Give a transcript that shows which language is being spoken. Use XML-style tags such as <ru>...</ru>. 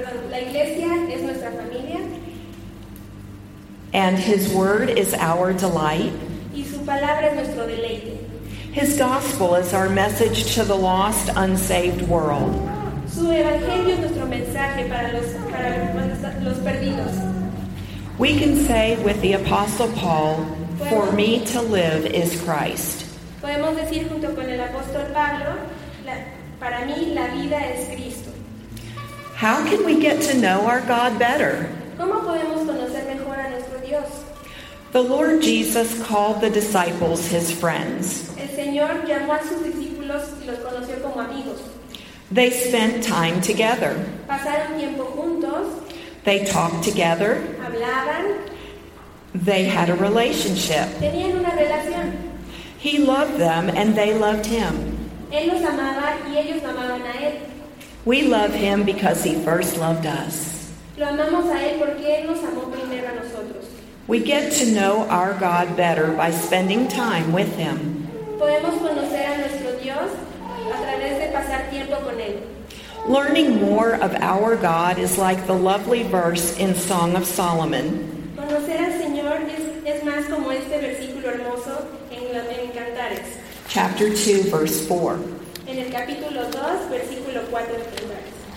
<es>La iglesia es nuestra familia.</es> <en>And His word is our delight.</en> <es>Y su palabra es nuestro deleite.</es> <en>His gospel is our message to the lost, unsaved world.</en> <es>Su evangelio es nuestro mensaje para los perdidos.</es> <en>We can say with the Apostle Paul, for me to live is Christ.</en> <es>Podemos decir junto con el apóstol Pablo, para mí la vida es Cristo.</es> <en>How can we get to know our God better?</en> <es>¿Cómo podemos conocer mejor a nuestro Dios?</es> <en>The Lord Jesus called the disciples His friends.</en> <es>El Señor llamó a sus discípulos y los conoció como amigos.</es> <en>They spent time together.</en> <es>Pasaron tiempo juntos.</es> <en>They talked together.</en> <es>Hablaban.</es> <en>They had a relationship.</en> <es>Tenían una relación.</es> <en>He loved them and they loved Him.</en> <es>Él los amaba y ellos amaban a Él.</es> <en>We love Him because He first loved us.</en> <es>Lo amamos a Él porque Él nos amó primero a nosotros.</es> <en>We get to know our God better by spending time with Him.</en> <es>Podemos conocer a nuestro Dios a través de pasar tiempo con Él.</es> <en>Learning more of our God is like the lovely verse in Song of Solomon.</en> <es>Conocer al Señor es más como este versículo hermoso en Cantares.</es> <en>Chapter 2, verse 4.</en> <es>En el capítulo 2, versículo 4 de Cantares.</es>